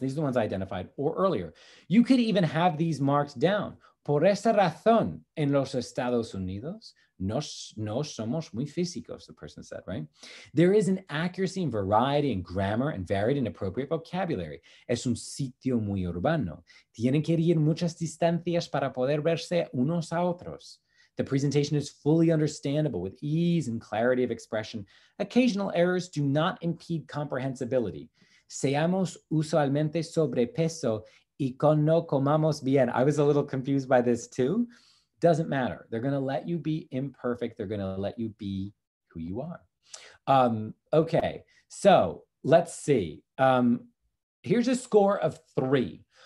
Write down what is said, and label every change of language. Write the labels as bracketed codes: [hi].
[en] These are the ones I identified earlier. You could even have these marked down. [es] Por esa razón, en los Estados Unidos, no somos muy físicos, [en] the person said, right? There is an accuracy and variety in grammar and varied and appropriate vocabulary. [es] Es un sitio muy urbano. Tienen que ir muchas distancias para poder verse unos a otros. [en] The presentation is fully understandable with ease and clarity of expression. Occasional errors do not impede comprehensibility. [es] Seamos usualmente sobrepeso y con no comamos bien. [en] I was a little confused by this too. Doesn't matter. They're going to let you be imperfect. They're going to let you be who you are. Okay, so let's see. Here's a score of 3.